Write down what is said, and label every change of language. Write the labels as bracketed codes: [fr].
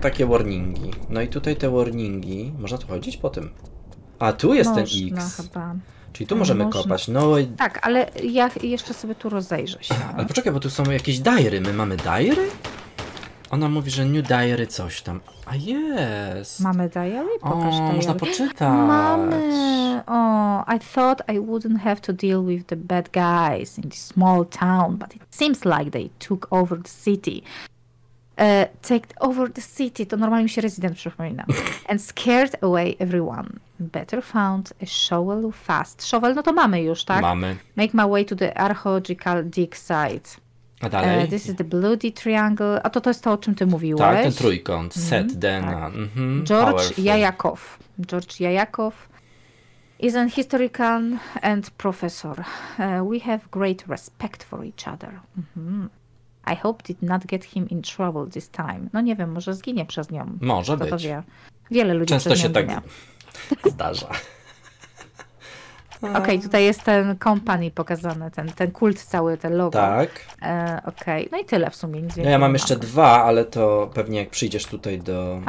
[pl] Takie warningi. No i tutaj te warningi. Można tu chodzić po tym? A tu jest można, ten X. Chyba. Czyli tu możemy kopać. No i... Tak, ale ja jeszcze sobie tu rozejrzę się. Ale poczekaj, bo tu są jakieś diary. My mamy diary? Ona mówi, że [en] new diary [pl] coś tam. A jest. Mamy diary? Pokaż o, diary. Można poczytać. Mamy. [en] O, I thought I wouldn't have to deal with the bad guys in this small town, but it seems like they took over the city. Take over the city. [pl] To normalnie mi się rezydent przypomina. [en] And scared away everyone. Better found a shovel fast. [pl] Shovel, no to mamy już, tak? Mamy. [en] Make my way to the archaeological dig site. [pl] A dalej? [en] This is the bloody triangle. [pl] A to jest to, o czym ty mówiłeś. Tak, ten trójkąt. Set Dana. Tak. Mm-hmm. George Jajakow. [en] George Jajakow is an historian and professor. We have great respect for each other. Mm-hmm. I hope did not get him in trouble this time. [pl] No nie wiem, może zginie przez nią. Może kto być. To wie. Wiele ludzi często przez nią się ginie. Tak zdarza. Okej, tutaj jest ten company pokazany, ten kult cały, ten logo. Tak. Okej, no i tyle w sumie. Nic no ja mam jeszcze dwa, ale to pewnie jak przyjdziesz tutaj do...